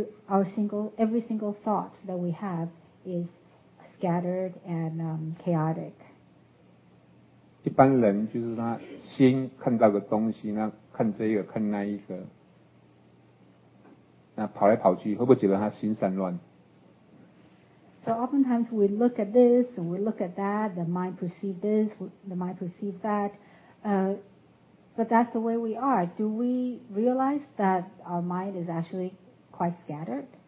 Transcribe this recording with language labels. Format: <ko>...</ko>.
<en>Every single thought that we have is scattered and chaotic.</en> <zh>一般人就是他心看到个东西，那看这个看那一个，那跑来跑去，会不会觉得他心散乱？</zh> <en>So oftentimes we look at this and we look at that, the mind perceive this, the mind perceive that, but that's the way we are. Do we realize that our mind is actually quite scattered?</en>